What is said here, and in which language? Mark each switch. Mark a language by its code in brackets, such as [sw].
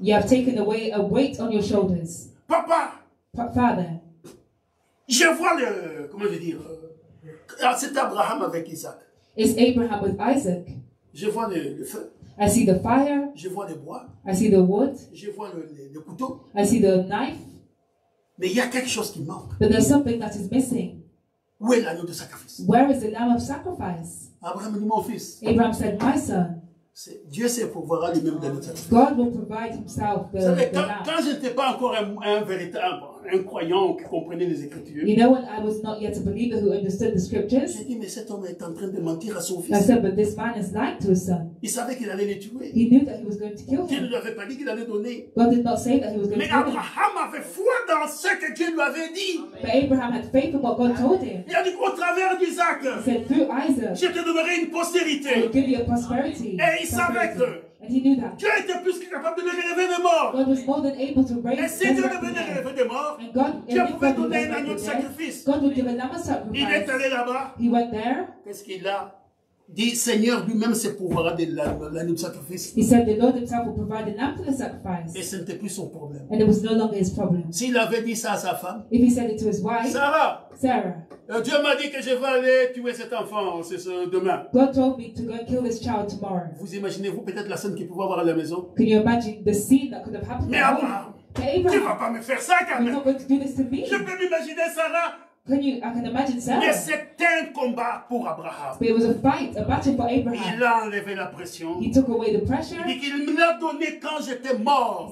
[en] You have taken away a weight on your shoulders. [fr] Papa. [en] Father. [fr] Je vois le, comment je dire, c'est Abraham avec Isaac. [en] It's Abraham with Isaac. [fr] Je vois le feu. [en] I see the fire. [fr] Je vois le bois. [en] I see the wood. [fr] Je vois le couteau. [en] I see the knife. [fr] Mais il y a quelque chose qui manque. [en] But there's something that is missing. [fr] Où est l'agneau de sacrifice? [en] Where is the lamb of sacrifice? [fr] Abraham dit mon fils. [en] Abraham said, my son. [fr] Dieu se pourvoira lui-même de notre sacrifice. [en] God will provide himself the lamb. [fr] Quand je n'étais pas encore un véritable incroyant qui comprenait les écritures. [en] You know, when I was not yet a believer who understood the scriptures. [fr] J'ai dit, mais cet homme est en train de mentir à son fils. [en] I said, but this man is lying to his son. [fr] Il savait qu'il allait le tuer. [en] He knew that he was going to kill him. [fr] Dieu ne lui avait pas dit qu'il allait donner. [en] God did not say that he was going [fr] mais [en] to kill [fr] him. Mais Abraham avait foi dans ce que Dieu lui avait dit. [en] But Abraham had faith in what God told him. [fr] Il a dit qu'au travers d'Isaac. [en] He said, through Isaac. [fr] Je te donnerai une postérité. [en] I will give you a prosperity. [fr] Et il savait que. [en] And he knew that. [fr] Dieu était plus que capable de le relever des morts. [en] God was more than able to raise. [fr] Et si Dieu le venait relever des morts, [en] God, [fr] Dieu pouvait donner un agneau de sacrifice. [en] God would give a lamb of sacrifice. [fr] Il est allé là-bas. [en] He went there. [fr] Qu'est-ce qu'il a dit? Seigneur lui-même se pourvoira de l'agneau de sacrifice. [en] He said the Lord himself will provide an lamb for the sacrifice. [fr] Et ce n'était plus son problème. [en] And it was no longer his problem. [fr] S'il avait dit ça à sa femme, [en] if he said it to his wife, Sarah. [fr] Dieu m'a dit que je vais aller tuer cet enfant demain. [en] God told me to go kill this child tomorrow. [fr] Vous imaginez-vous peut-être la scène qu'il pouvait avoir à la maison? [en] Can you imagine the scene that could have happened? [fr] Mais Abraham, tu vas pas me faire ça quand même. [en] You're not going to do this to me. [fr] Je peux m'imaginer Sarah. [en] I can imagine Sarah. [fr] Mais c'était un combat pour Abraham. [en] But it was a fight, a battle for Abraham. [fr] Il a enlevé la pression. [en] He took away the pressure. [fr] Et qu'il me l'a donné quand j'étais mort.